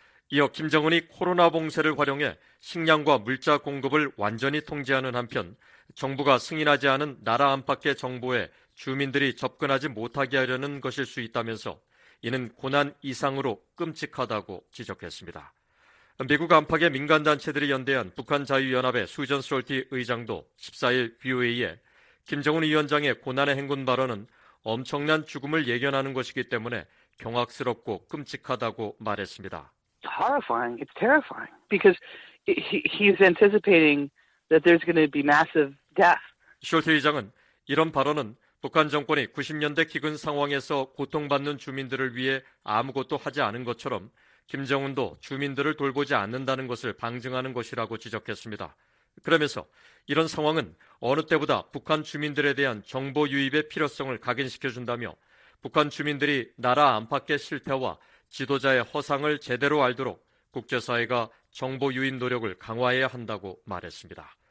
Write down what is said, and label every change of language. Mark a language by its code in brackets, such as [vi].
[ko] 이어 김정은이 코로나 봉쇄를 활용해 식량과 물자 공급을 완전히 통제하는 한편 정부가 승인하지 않은 나라 안팎의 정보에 주민들이 접근하지 못하게 하려는 것일 수 있다면서 이는 고난 이상으로 끔찍하다고 지적했습니다. 미국 안팎의 민간단체들이 연대한 북한자유연합의 수전 솔티 의장도 14일 BOA에 김정은 위원장의 고난의 행군 발언은 엄청난 죽음을 예견하는 것이기 때문에 경악스럽고 끔찍하다고 말했습니다. [en] Horrifying. It's terrifying because he's anticipating that there's going to be massive death. [ko] 쇼트 의장은 이런 발언은 북한 정권이 90년대 기근 상황에서 고통받는 주민들을 위해 아무것도 하지 않은 것처럼 김정은도 주민들을 돌보지 않는다는 것을 방증하는 것이라고 지적했습니다. 그러면서 이런 상황은 어느 때보다 북한 주민들에 대한 정보 유입의 필요성을 각인시켜준다며 북한 주민들이 나라 안팎의 실태와 지도자의 허상을 제대로 알도록 국제사회가 정보 유인 노력을 강화해야 한다고 말했습니다.